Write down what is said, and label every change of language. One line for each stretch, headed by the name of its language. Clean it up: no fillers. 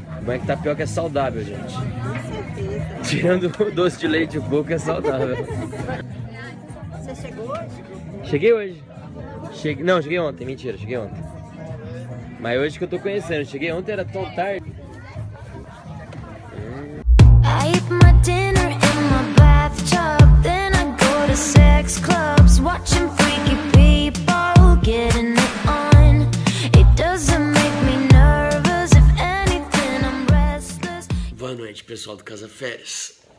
Portuguese: Como é que tapioca é saudável, gente? Com certeza. Tirando o doce de leite, o coco é saudável. Você chegou hoje? Cheguei hoje. Não, cheguei ontem, mentira, cheguei ontem. Mas hoje que eu tô conhecendo, cheguei ontem, era tão tarde.
English: I eat my dinner in my bathtub. Then I go to sex clubs watching freaky people getting it on. It doesn't make me nervous. If anything, I'm restless.
Portuguese: Boa noite, pessoal do Casa Férias.